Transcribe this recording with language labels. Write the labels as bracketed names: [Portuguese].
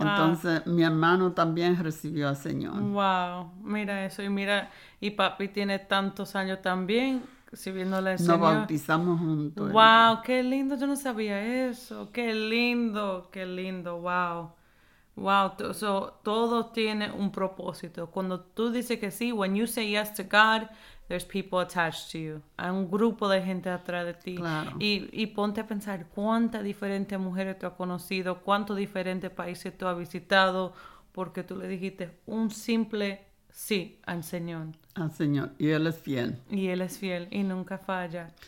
[Spanish] Entonces, mi hermano también recibió al Señor. Wow, mira eso. Y mira, y papi tiene tantos años también sirviéndole al Señor. Nos bautizamos juntos. Wow, qué lindo. Yo no sabía eso. Qué lindo, wow. Wow, so todo tiene un propósito. Cuando tú dices que sí, [English] when you say yes to God, there's people attached to you. [Spanish] Hay un grupo de gente atrás de ti. Claro. Y ponte a pensar cuántas diferentes mujeres tú has conocido, cuántos diferentes países tú has visitado, porque tú le dijiste un simple sí al Señor. Al Señor, y Él es fiel. Y Él es fiel y nunca falla.